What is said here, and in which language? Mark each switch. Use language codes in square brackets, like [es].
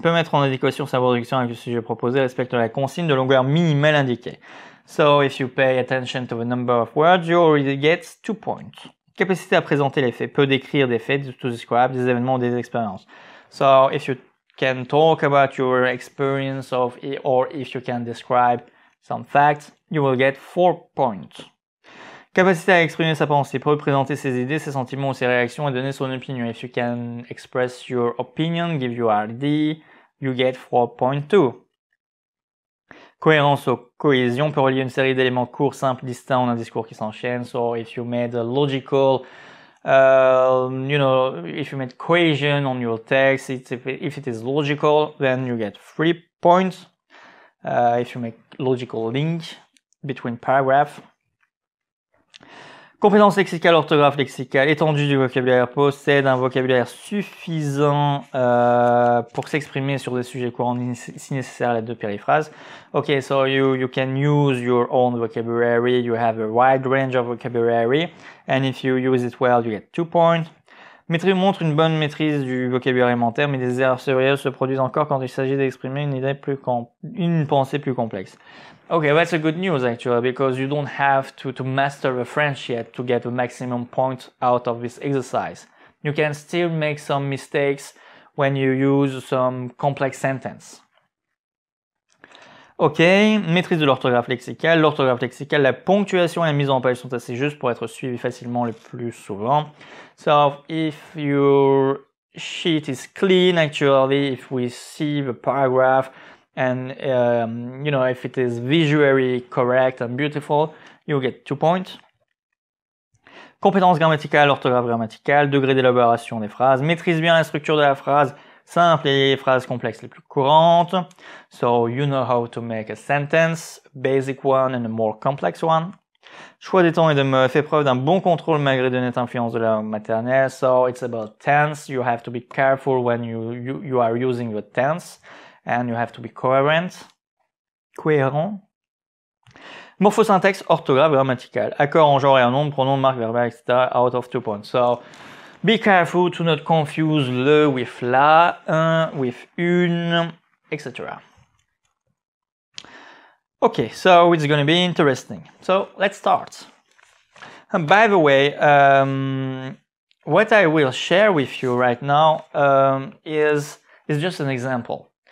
[fr] Peut mettre en adéquation sa production avec le sujet proposé. Respecte la consigne de longueur minimale indiquée. [en] So, if you pay attention to the number of words, you already get 2 points. [fr] Capacité à présenter les faits. Peut décrire des faits, [en] to describe [fr] des événements ou des expériences. [en] So, if you can talk about your experience of it, or if you can describe some facts, you will get 4 points. [fr] Capacité à exprimer sa pensée, peut présenter ses idées, ses sentiments ou ses réactions et donner son opinion. [en] If you can express your opinion, give your idea, you get 4.2. [fr] Cohérence ou cohésion, peut relier une série d'éléments courts, simples, distincts en un discours qui s'enchaîne. [en] So if you made a logical You know, if you made question on your text, if it is logical, then you get 3 points. If you make logical link between paragraph. [fr] Compétence lexicale, orthographe, lexicale, étendue du vocabulaire, possède un vocabulaire suffisant pour s'exprimer sur des sujets courants, si nécessaire, les deux périphrases. [en] Okay, so you can use your own vocabulary, you have a wide range of vocabulary, and if you use it well, you get 2 points. [fr] Maîtrise montre une bonne maîtrise du vocabulaire élémentaire, mais des erreurs sévérielles se produisent encore quand il s'agit d'exprimer une idée plus une pensée plus complexe. [en] Okay, that's a good news actually, because you don't have to master the French yet to get the maximum point out of this exercise. You can still make some mistakes when you use some complex sentence. [fr] Ok, maîtrise de l'orthographe lexicale. L'orthographe lexicale, la ponctuation et la mise en page sont assez justes pour être suivies facilement le plus souvent. [en] So, if your sheet is clean, actually, if we see the paragraph and, you know, if it is visually correct and beautiful, you get 2 points. [fr] Compétence grammaticale, orthographe grammaticale, degré d'élaboration des phrases. Maîtrise bien la structure de la phrase. Simple et les phrases complexes les plus courantes. [en] So, you know how to make a sentence, basic one and a more complex one. [fr] Choix des temps et de mots. Fais preuve d'un bon contrôle malgré de nettes influences de la langue maternelle. [en] So, it's about tense. You have to be careful when you are using the tense. And you have to be coherent. [fr] Cohérent. Morphosyntaxe, orthographe, grammaticale. Accord en genre et en nombre, pronom, marque, verbe, etc. [en] Out of 2 points. So, be careful to not confuse le with la, un with une, etc. Okay, so it's going to be interesting. So, let's start. And by the way, what I will share with you right now is just an example.